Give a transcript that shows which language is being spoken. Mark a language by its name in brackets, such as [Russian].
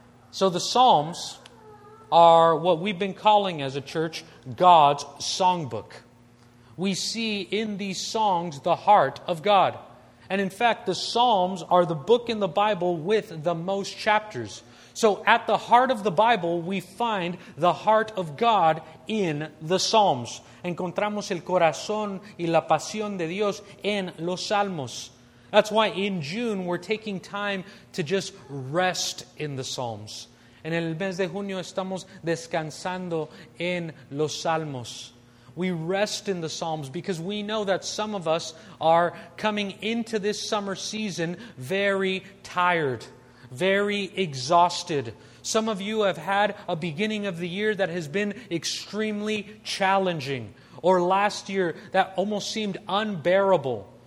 [English] So the Psalms are what we've been calling as a church God's songbook. We see in these songs the heart of God. And in fact, the Psalms are the book in the Bible with the most chapters. So at the heart of the Bible, we find the heart of God in the Psalms. [Spanish] Encontramos el corazón y la pasión de Dios en los Salmos. [English] That's why in June, we're taking time to just rest in the Psalms. [Spanish] En el mes de junio, estamos descansando en los Salmos. [English] We rest in the Psalms because we know that some of us are coming into this summer season very tired, very exhausted. Some of you have had a beginning of the year that has been extremely challenging, or last year that almost seemed unbearable.